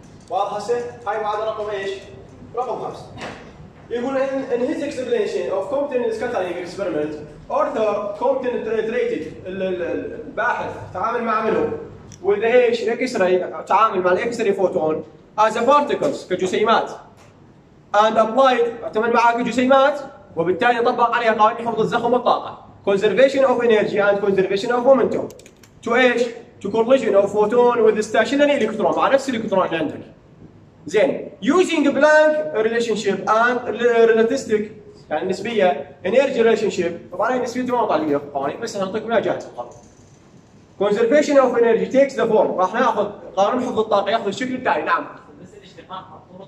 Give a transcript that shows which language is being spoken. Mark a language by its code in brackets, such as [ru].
[ar] واضح حسن؟ هاي معادلة رقم ايش؟ رقم 5. يقول [en] in his explanation of Compton scattering experiment, Arthur Compton reiterated [ar] الباحث تعامل مع منو؟ وإذا ايش؟ الإكس راي تعامل مع الإكس راي فوتون [en] as a particles [ar] كجسيمات. [en] And applied [ar] اعتمد معها كجسيمات. وبالتالي طبق عليها قوانين حفظ الزخم والطاقه [en] conservation of energy and conservation of momentum to [ar] ايش؟ [en] to collision of photon with stationary electron [ar] مع نفس الالكترون اللي عندك. زين [en] using Planck relationship and relativistic [ar] يعني النسبيه [en] energy relationship [ar] طبعا هي نسبيه ما طالبين قوانين بس نعطيكم اياها جاهزه فقط. [en] conservation of energy takes the form [ar] راح ناخذ قانون حفظ الطاقه ياخذ الشكل التالي. نعم بس الاشتقاق